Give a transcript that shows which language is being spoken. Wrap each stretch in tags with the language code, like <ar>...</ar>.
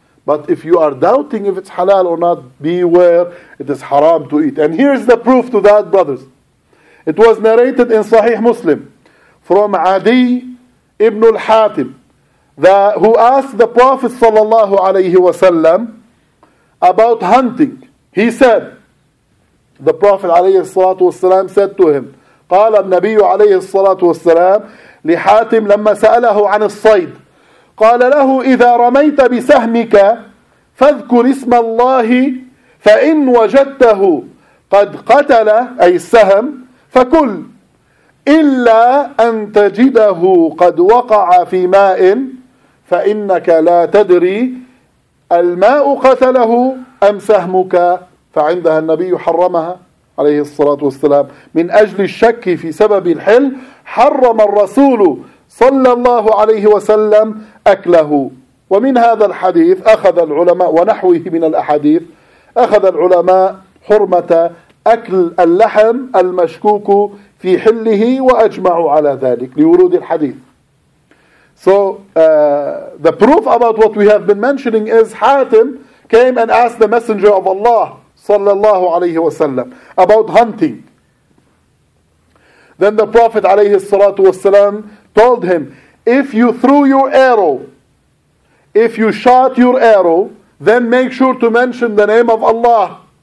<en>But if you are doubting if it's halal or not, beware, it is haram to eat. And here's the proof to that, brothers. It was narrated in Sahih Muslim from Adi ibn al-Hatim, who asked the Prophet sallallahu alayhi wa sallam about hunting. He said, the Prophet alayhi salatu wa sallam said to him,</en> <ar>قال النبي عليه الصلاة والسلام لحاتم لما سأله عن الصيد قال له إذا رميت بسهمك فاذكر اسم الله فإن وجدته قد قتل أي السهم فكل إلا أن تجده قد وقع في ماء فإنك لا تدري الماء قتله أم سهمك. فعندها النبي حرمها عليه الصلاة والسلام من أجل الشك في سبب الحل. حرم الرسول صلى الله عليه وسلم أكله. ومن هذا الحديث أخذ العلماء ونحوه من الأحاديث أخذ العلماء حرمة أكل اللحم المشكوك في حله وأجمعوا على ذلك لورود الحديث.</ar> <en>So the proof about what we have been mentioning is Hatim came and asked the Messenger of Allah صلى الله عليه وسلم about hunting. Then the Prophet عليه الصلاة والسلام told him, if you threw your arrow, if you shot your arrow, then make sure to mention the name of Allah.</en>